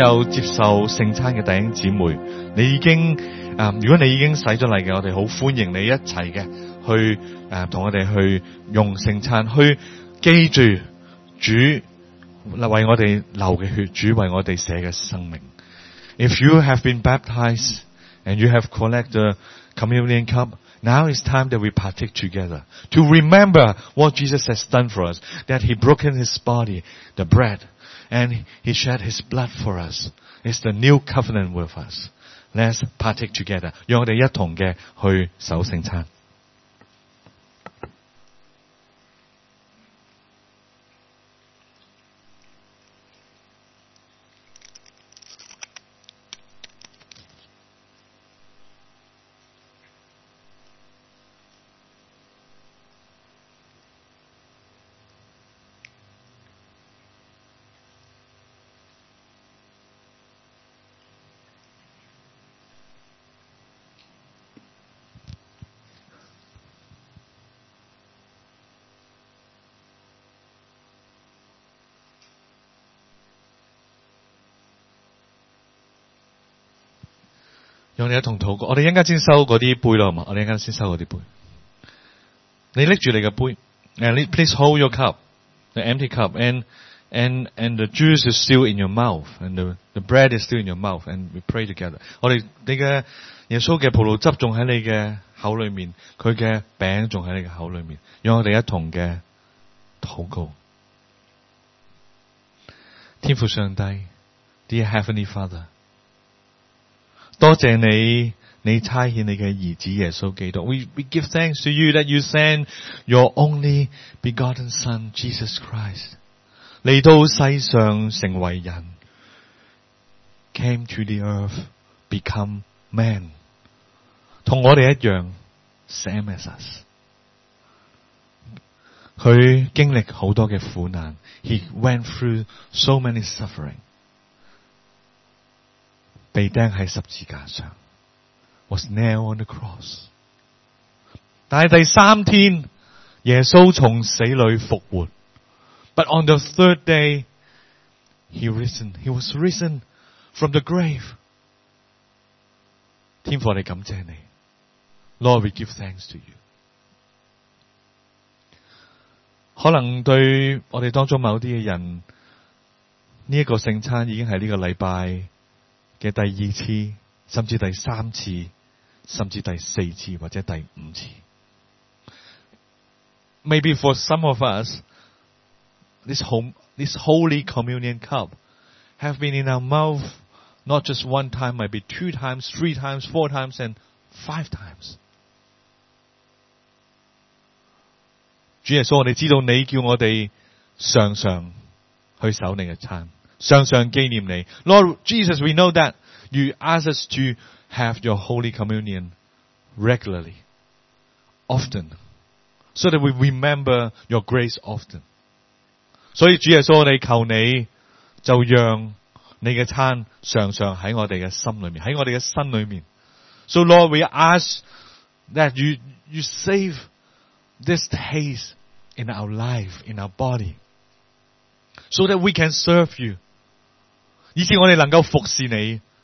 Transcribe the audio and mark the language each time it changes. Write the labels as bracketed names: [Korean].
[Chinese] 接受圣餐的弟兄姊妹，你已经如果你已经洗了礼的，我们很欢迎你一起的去跟我们去用圣餐，去记住主为我们流的血，主为我们舍的生命。 [English] If you have been baptized and you have collected the communion cup, now is time that we partake together to remember what Jesus has done for us, that he broken his body, the breadAnd he shed his blood for us. It's the new covenant with us. Let's partake together. [Chinese] 让我们一同的去守圣餐。让你一同祷告。我们一会先收那些杯，我们一会先收那些杯。你拎住你的杯， [English] please hold your cup, the empty cup, and the juice is still in your mouth, and the bread is still in your mouth, and we pray together. [Chinese] 我们你的耶稣的葡萄汁还在你的口里面，他的饼还在你的口里面，让我们一同的祷告。天父上帝， [English] Dear Heavenly Father, [Chinese] 多谢你，你差遣你的儿子耶稣基督。 [English] We give thanks to you that you send your only begotten son, Jesus Christ, [Chinese] 来到世上成为人， [English] came to the earth, become man, [Chinese] 同我们一样， [English] same as us. [Chinese] 他经历很多的苦难， [English] He went through so many suffering, [Chinese] 被钉在十字架上。 [English] Was nailed on the cross. [Chinese] 但是第三天耶稣从死里复活。 [English] But on the third day, He was risen from the grave. [Chinese] 天父，我们感谢你。 [English] Lord, we give thanks to you. [Chinese] 可能对我们当中某些人，这个圣餐已经是这个礼拜的第二次，甚至第三次，甚至第四次或者第五次。 [English] Maybe for some of us, this Holy Communion cup have been in our mouth not just one time, maybe two times, three times, four times, and five times. [Chinese] 主耶稣，我们知道你叫我们常常去守你的餐，常常纪念你。 [English] Lord Jesus, we know that you ask us to have your Holy Communion regularly, often, so that we remember your grace often. [Chinese] 所以主耶稣，我们求你就让你的餐常常在我们的心里面，在我们的身里面。 [English] So Lord, we ask that you save this taste in our life, in our body, so that we can serve you, [Chinese] 以致我们能够服侍你。